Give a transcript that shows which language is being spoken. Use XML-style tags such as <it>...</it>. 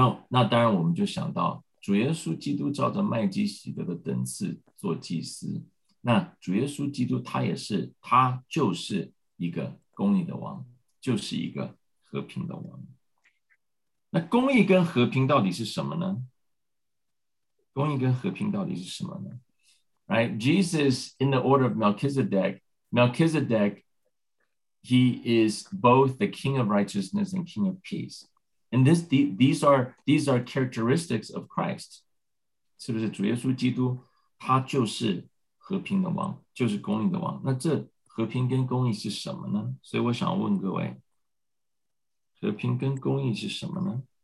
<zh>那当然我们就想到主耶稣基督照着麦基洗德的等次做祭司，那主耶稣基督他就是一个公义的王，就是一个和平的王。那公义跟和平到底是什么呢？公义跟和平到底是什么呢？</zh> <en>Right, Jesus in the order of Melchizedek, he is both the king of righteousness and king of peace. And these are characteristics of Christ.</en> <zh>是不是主耶稣基督他就是和平的王，就是公义的王。那这和平跟公义是什么呢？所以我想问各位，和平跟公义是什么呢？</zh>